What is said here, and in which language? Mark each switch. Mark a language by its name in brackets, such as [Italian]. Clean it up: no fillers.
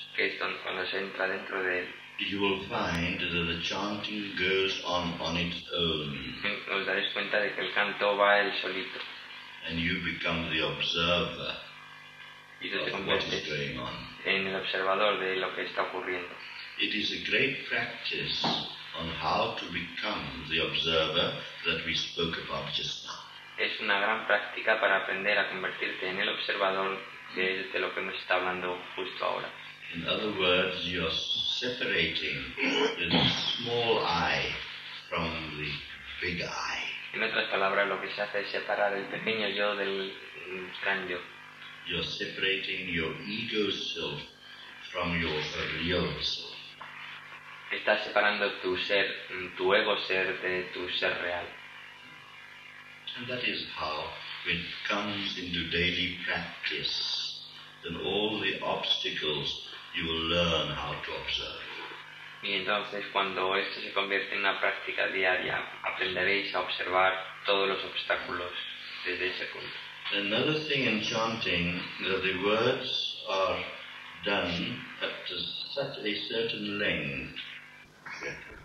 [Spanish] que es cuando se entra dentro de él, [English] you will find that the chanting goes on its own. [Spanish] Nos daréis cuenta de que el canto va el solito. [English] And you become the observer of what is going on. [Spanish] En el observador de lo que está ocurriendo. [English] It is a great practice on how to become the observer that we spoke about just now. [Spanish] Es una gran práctica para aprender a convertirte en el observador de lo que nos está hablando justo ahora. [English] In other words, you are separating the small eye from the big eye. [Spanish] En otras palabras, lo que se hace es separar el pequeño yo del gran yo. [English] You are separating your ego self from your real self. [Spanish] Estás separando tu ser, tu ego ser, de tu ser real. [English] And that is how, when it comes into daily practice, then all the obstacles you will learn how to observe. [Spanish] Y entonces, cuando esto se convierte en una práctica diaria, aprenderéis a observar todos los obstáculos desde ese punto. [English] Another thing in chanting, that the words are done up to such a certain length.